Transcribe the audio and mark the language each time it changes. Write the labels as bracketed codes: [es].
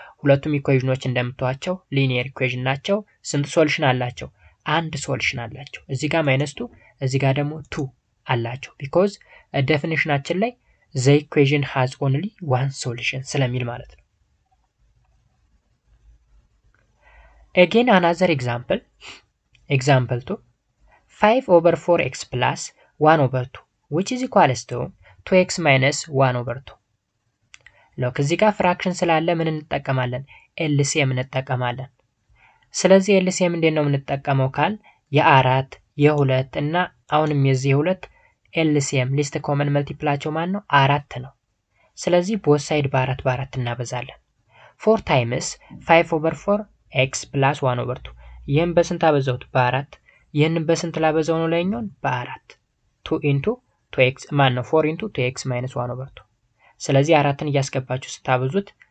[am] ሁለቱም ኢኩዌሽኖች እንደምታዋቸው ሊኒየር ኢኩዌሽን ናቸው። ስንት ሶሉሽን አላቸው አንድ ሶሉሽን አላቸው። እዚህ ጋር minus 2 እዚህ ጋር ደግሞ 2 አላቸው because definitionአችን ላይ [en] the equation has only one solution [am] ስለሚል ማለት ነው። [en] Again another example. Example 2. 5 over 4x plus 1 over 2 which is equal to 2x minus 1 over 2. [am] ሎክ እዚህ ጋር ፍራክሽን ስላለ ምን እንጠቀማለን ኤልሲኤም እንጠቀማለን። ስለዚህ ኤልሲኤም እንዴት ነው የምንጠቀመው ካል የአራት የሁለት እና አሁንም የዚህ የሁለት ኤልሲኤም ሊስት ኮመን መልቲፕላቸው ማን ነው አራት ነው። ስለዚህ ቦዝ ሳይድ በአራት በአራት እናበዛለን [en] 4 times 5 over 4 x plus 1 over 2 [am] ይሄን በስንት አበዛውት በአራት ይሄን በስንት ላበዛው ነው ለኛው በአራት 2 into 2x ማን ነው [en] 4 into 2x minus 1 over 2 [am] ስለዚህ አራትን ያስገባችሁ ስታበዙት